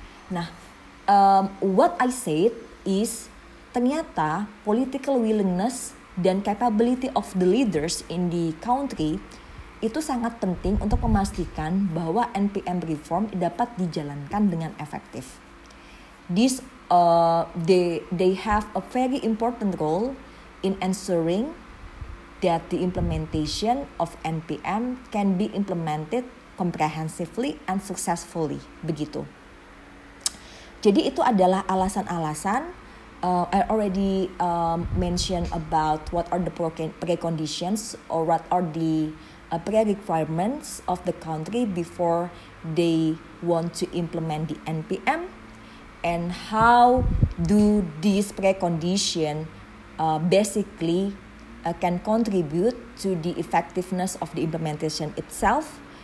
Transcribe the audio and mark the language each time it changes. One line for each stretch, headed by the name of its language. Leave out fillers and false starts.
Indonesian: Nah,
English: what I said is,
Indonesian: ternyata political willingness dan
English: capability of the leaders in the country
Indonesian: itu sangat penting untuk memastikan bahwa NPM reform dapat dijalankan dengan efektif.
English: This they have a very important role in ensuring that the implementation of NPM can be implemented comprehensively and successfully.
Indonesian: Begitu. Jadi itu adalah alasan-alasan.
English: I already mentioned about what are the preconditions or what are the prerequisites of the country before they want to implement the NPM, and how do these preconditions basically can contribute to the effectiveness of the implementation itself.